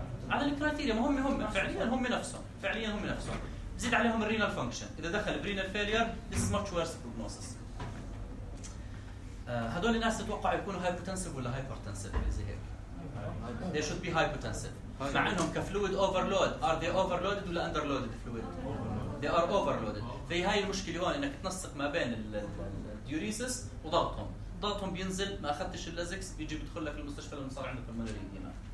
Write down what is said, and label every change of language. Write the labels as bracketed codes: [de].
[ar] على الكرايتيريا مهم، هم فعليا هم نفسهم، فعليا هم نفسهم. زيد عليهم الرينال فانكشن، اذا دخل برينال فيلير [en] this is much worse prognosis. [ar] هذول الناس تتوقع يكونوا هايبوتنسيف ولا هايبرتنسيف زي هيك. [en] They should be hypotensive. [ar] مع انهم كفلويد اوفرلود، [en] are they overloaded [ar] ولا [en] underloaded fluid؟ They are overloaded. [ar] في هاي المشكله هون انك تنسق ما بين الديوريسس وضغطهم، ضغطهم بينزل، ما اخذتش اللازكس بيجي بيدخل لك المستشفى لانه صار عندك المالارين هنا.